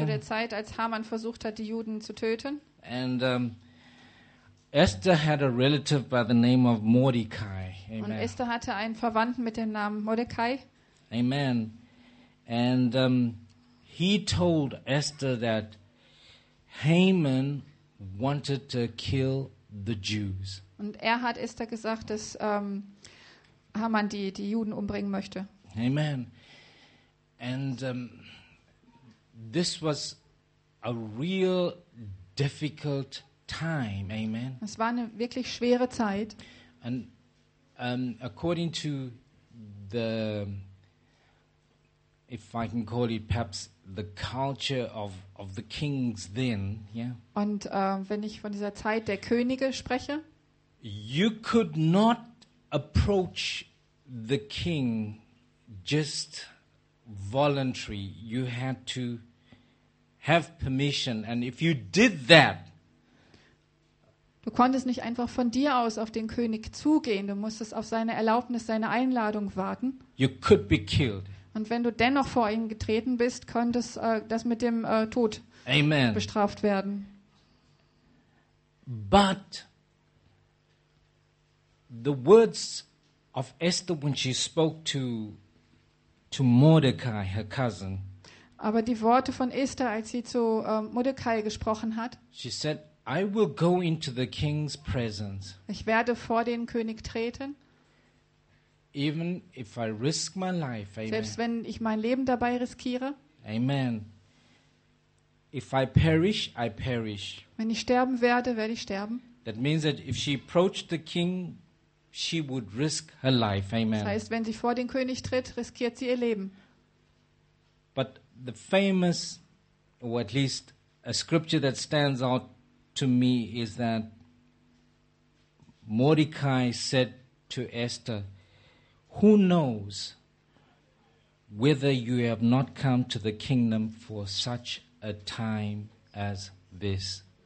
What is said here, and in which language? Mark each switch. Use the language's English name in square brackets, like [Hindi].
[German] Zu der Zeit, als Haman versucht hat, die Juden zu töten. [English] And Esther had a relative by the name of Mordecai. Amen. [German] Und Esther hatte einen Verwandten mit dem Namen Mordecai. [English] Amen. And he told Esther that Haman wanted to kill the Jews. [German] Und er hat Esther gesagt, dass Haman die Juden umbringen möchte. [English] Amen. And this was a real difficult time. Amen. [German] Es war eine wirklich schwere Zeit. [English] And according to the, if I can call it perhaps the culture of the kings then, yeah. [German] Und wenn ich von dieser Zeit der Könige spreche, [English] you could not approach the king just voluntary. You had to have permission, and if you did that, [German] du konntest nicht einfach von dir aus auf den König zugehen. Du musstest auf seine Erlaubnis, seine Einladung warten. [English] You could be killed. [German] Und wenn du dennoch vor ihn getreten bist, könnte das mit dem Tod [English] Amen. [German] Bestraft werden. [English] But the words of Esther when she spoke to Mordecai, her cousin. [German] Aber die Worte von Esther, als sie zu Mordecai gesprochen hat. [English] She said, I will go into the king's presence. [German] Ich werde vor den König treten. [English] Even if I risk my life, [German] amen. Selbst wenn ich mein Leben dabei riskiere. [English] Amen. If I perish, I perish. [German] Wenn ich sterben werde, werde ich sterben. [English] That means that if she approached the king, she would risk her life. Amen. [German] Das heißt, wenn sie vor den König tritt, riskiert sie ihr Leben. [English] But the famous, or at least a scripture that stands out to me, is that Mordecai said to Esther, "Who knows whether you have not come to the kingdom for such a time as this?"